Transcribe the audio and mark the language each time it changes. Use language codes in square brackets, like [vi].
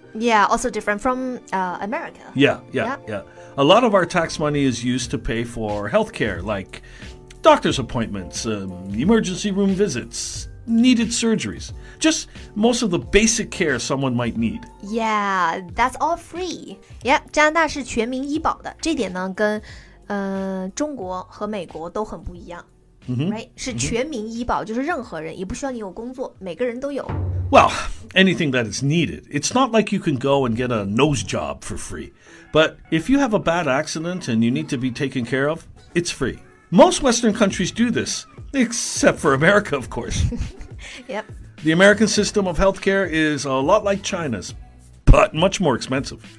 [en] Yeah, also different from America. Yeah. A lot of our tax money is used to pay for health care, like doctor's appointments, emergency room visits, needed surgeries. Just most of the basic care someone might need. Yeah, that's all free. Yep, [zh] 加拿大是全民医保的。这点呢跟、中国和美国都很不一样。 Mm-hmm. Right, 是全民医保、mm-hmm. 就是任何人也不需要你有工作每个人都有 [en] Well, anything that is needed It's not like you can go and get a nose job for free But if you have a bad accident and you need to be taken care of It's free Most Western countries do this Except for America, of course Yep The American system of healthcare is a lot like China's, but much more expensive.